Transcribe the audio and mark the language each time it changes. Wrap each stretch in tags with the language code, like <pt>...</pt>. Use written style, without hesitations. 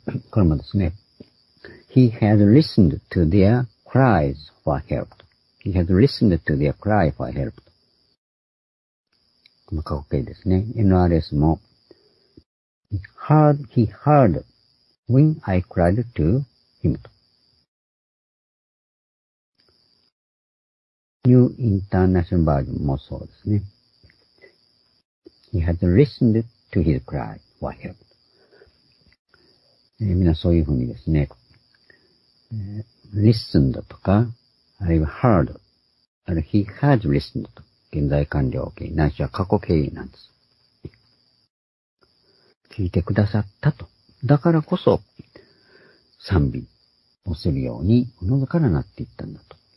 <ja>これもですね、</ja> <en>He had listened to their cries for help. He had listened to their cry for help.</en> <ja>この過去形ですね。</ja> <en>NRS も、He heard when I cried to him.</en> <ja>New International Version もそうですね。</ja> <en>He had listened to his cry for help.</en> <ja>みんなそういうふうにですね、listened とか、あるいは heard、あるいは</ja> <en>he had listened</en> <ja>と、現在完了形、ないしは過去形なんです。聞いてくださったと。だからこそ、賛美をするように、のどからなっていったんだと。</ja>